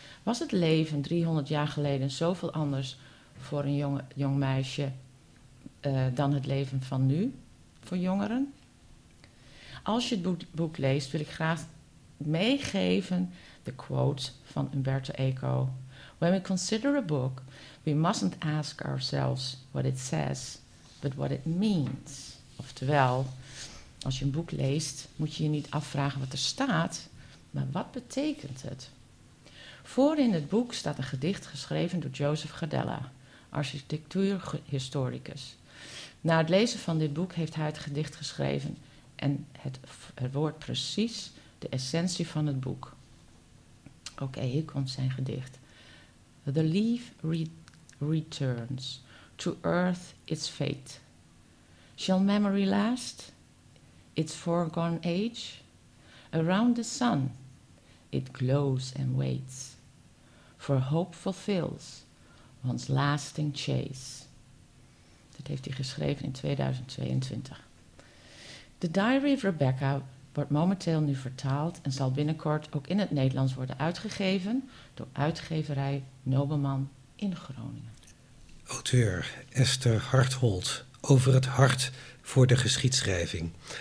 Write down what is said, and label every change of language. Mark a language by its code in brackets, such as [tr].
[nl] Was het leven 300 jaar geleden zoveel anders voor een jong meisje dan het leven van nu voor jongeren? Als je het boek leest, wil ik graag meegeven de quote van Umberto Eco. [en] When we consider a book, we mustn't ask ourselves what it says, but what it means. [nl] Oftewel, als je een boek leest, moet je je niet afvragen wat er staat, maar wat betekent het? Voor in het boek staat een gedicht geschreven door Joseph Gardella, architectuurhistoricus. Na het lezen van dit boek heeft hij het gedicht geschreven en het woord precies de essentie van het boek. Oké, hier komt zijn gedicht. [en] The leaf returns to earth its fate. Shall memory last? Its foregone age? Around the sun it glows and waits. For hope fulfills one's lasting chase. [nl] Dat heeft hij geschreven in 2022. The Diary of Rebecca wordt momenteel nu vertaald en zal binnenkort ook in het Nederlands worden uitgegeven door uitgeverij Nobelman in Groningen. Auteur Esther Hartholt over het hart voor de geschiedschrijving.